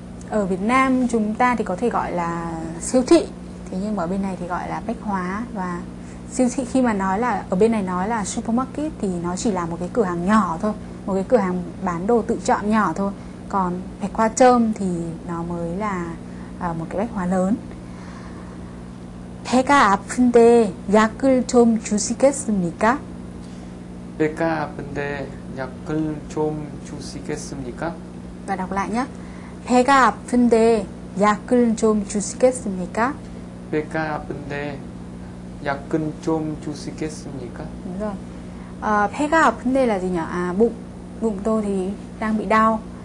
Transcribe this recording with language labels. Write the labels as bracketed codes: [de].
[vi] Ở Việt Nam chúng ta thì có thể gọi là siêu thị, thế nhưng mà ở bên này thì gọi là bách hóa. Và siêu thị khi mà nói là ở bên này nói là supermarket thì nó chỉ là một cái cửa hàng nhỏ thôi, một cái cửa hàng bán đồ tự chọn nhỏ thôi. Còn bách hóa trơm thì nó mới là một cái bách hóa lớn. [ko] 배가 아픈데 약을 좀 주시겠습니까? 배가 아픈데 약을 좀 주시겠습니까? [vi] Và đọc lại nhé. [ko] 배가 아픈데 약을 좀 주시겠습니까? 배가 아픈데 약을 좀 주시겠습니까? [vi] Đúng rồi. [ko] 배가 아픈데 [vi] là gì nhỉ? À, bụng tôi thì đang bị đau.